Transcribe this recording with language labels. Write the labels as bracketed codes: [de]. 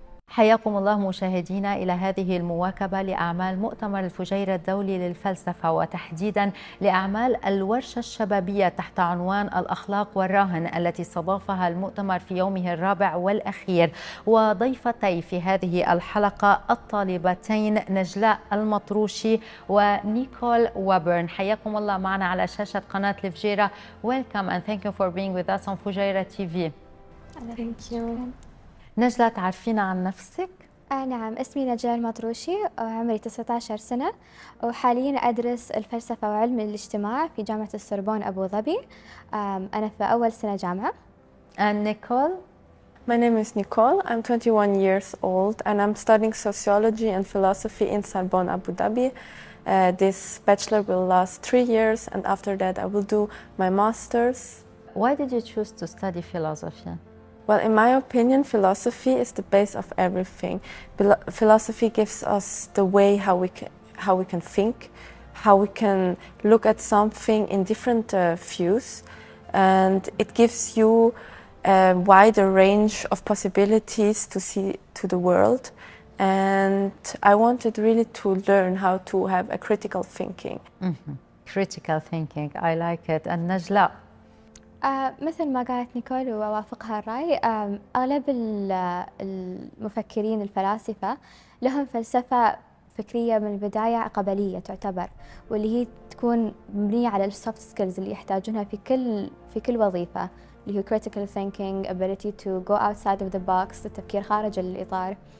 [ar] حياكم الله مشاهدينا إلى هذه المواكبة لأعمال مؤتمر الفجيرة الدولي للفلسفة، وتحديدا لأعمال الورشة الشبابية تحت عنوان الأخلاق والرهن التي استضافها المؤتمر في يومه الرابع والأخير. وضيفتي في هذه الحلقة الطالبتين نجلاء المطروشي ونيكول وبرن. حياكم الله معنا على شاشة قناة الفجيرة. [en] Welcome and thank you for being with us on فجيرة TV. Thank you. [ar] نجلة، تعرفين عن نفسك؟ نعم، اسمي نجلاء المطروشي، عمري 19 سنة، وحاليا أدرس الفلسفة وعلم الاجتماع في جامعة السوربون أبو ظبي. أنا في أول سنة جامعة. [en] And Nicole. My name is Nicole. I'm 21 years old and I'm studying sociology and philosophy in Sorbonne Abu Dhabi. This bachelor will last 3 years and after that I will do my master's. Why did you choose to study philosophy? Well, in my opinion, philosophy is the base of everything. Philosophy gives us the way how we can think, how we can look at something in different views, and it gives you a wider range of possibilities to see to the world. And I wanted really to learn how to have a critical thinking. Mm-hmm. Critical thinking, I like it. And Najla. [ar] مثل ما قالت نيكول ووافقها الرأي، أغلب المفكرين الفلاسفة لهم فلسفة فكرية من البداية قبلية تعتبر، واللي هي تكون مبنية على السوفت سكيلز اللي يحتاجونها في كل وظيفة، اللي هي [en] critical thinking, ability to go outside of the box, [ar] التفكير خارج الإطار.